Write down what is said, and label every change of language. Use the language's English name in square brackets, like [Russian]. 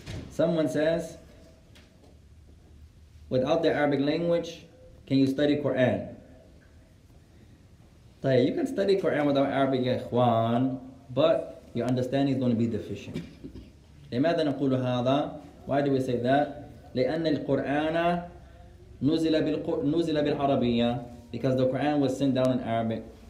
[English] Someone says, without the Arabic language, can you study Quran? Tayyah, you can study Quran without Arabic, Akhwan, but your understanding is going to be deficient. [Arabic] لماذا نقول هذا? [English] Why do we say that? [Arabic] لأن القرآن نزل بالعربية. [English] Because the Quran was sent down in Arabic.